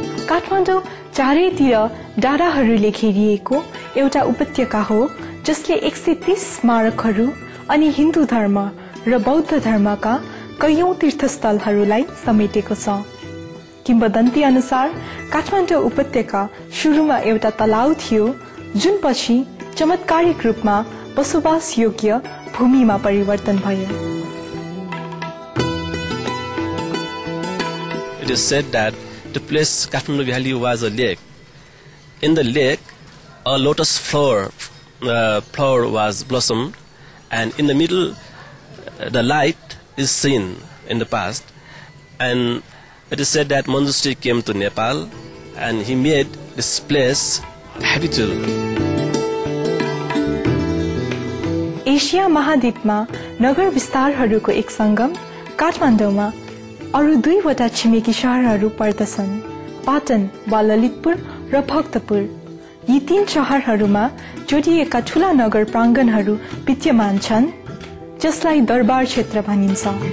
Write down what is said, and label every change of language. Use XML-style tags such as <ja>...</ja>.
<ne>काठमाडौँ चारैतिर डाँडाहरूले घेरिएको एउटा उपत्यका हो जसले 130 स्मारकहरू अनि हिन्दू धर्म र बौद्ध धर्मका कैयौँ तीर्थस्थलहरूलाई समेटेको छ। किम्बदन्ती अनुसार काठमाडौँ उपत्यका सुरुमा एउटा तलाउ थियो जुन पछि चमत्कारिक रूपमा बसोबास योग्य भूमिमा परिवर्तन भयो।</ne> <en>It is said that the place Kathmandu Valley was a lake. In the lake, a lotus flower was blossomed, and in the middle, the light is seen in the past. And it is said that Manjushri came to Nepal, and he made this place habitable.</en> <ne>Asia महाद्वीपमा नगर विस्तारहरूको एक संगम काठमाडौँमा अरू दुईवटा छिमेकी शहरहरू पर्दछन्, पाटन वा ललितपुर र भक्तपुर। यी तीन शहरहरूमा जोडिएका ठूला नगर प्राङ्गणहरू विद्यमान छन् जसलाई दरबार क्षेत्र भनिन्छ।</ne>